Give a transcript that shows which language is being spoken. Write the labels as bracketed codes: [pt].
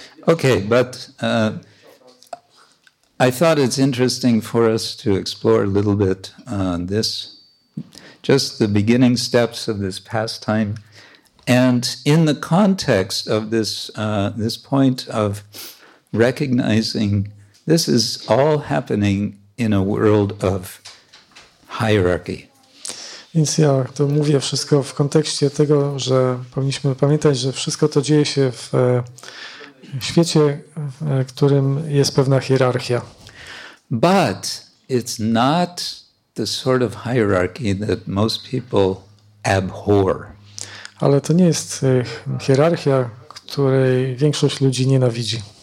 [en] Okay, but I thought it's interesting for us to explore a little bit this, just the beginning steps of this pastime, and in the context of this this point of recognizing this is all happening in a world of hierarchy. [pl] Więc ja to mówię wszystko w kontekście tego, że powinniśmy pamiętać, że wszystko to dzieje się w świecie, w którym jest pewna hierarchia. [en] But it's not the sort of hierarchy that most people abhor. [pl] Ale to nie jest hierarchia, której większość ludzi nienawidzi.